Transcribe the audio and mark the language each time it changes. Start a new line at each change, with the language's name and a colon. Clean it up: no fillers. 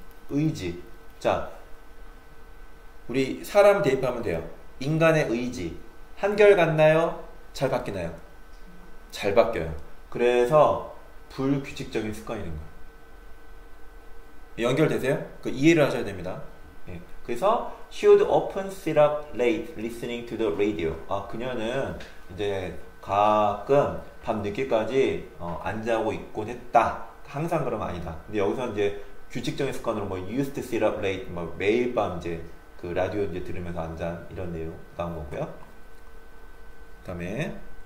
Korean: 의지. 자, 우리 사람 대입하면 돼요. 인간의 의지. 한결같나요? 잘 바뀌나요? 잘 바뀌어요. 그래서 불규칙적인 습관이 된 거예요. 연결되세요? 그 이해를 하셔야 됩니다. 예. 그래서
English: she would often sit up late listening to the radio.
Korean: 아, 그녀는 이제 가끔 밤 늦게까지 안 자고 있곤 했다. 항상 그러면 아니다. 근데 여기서 이제 규칙적인 습관으로 뭐
English: used to sit up late,
Korean: 뭐 매일 밤 이제 그 라디오 이제 들으면서 앉아 이런 내용 나온 거고요. 그다음에